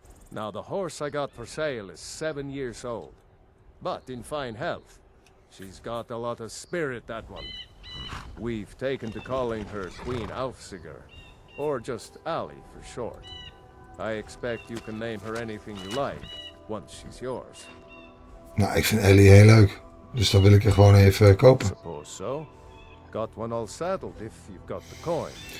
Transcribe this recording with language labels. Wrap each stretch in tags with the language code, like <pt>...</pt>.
<en>Now the horse I got for sale is 7 years old, but in fine health. She's got a lot of spirit, that one. We've taken to calling her Queen Alfsiger, or just Ali for short. I expect you can name her anything you like once she's yours.</en> <nl>Nou, ik vind Ellie heel leuk, dus dan wil ik er gewoon even kopen.</nl> <en>Suppose so. Got one all saddled if you've got the coin.</en>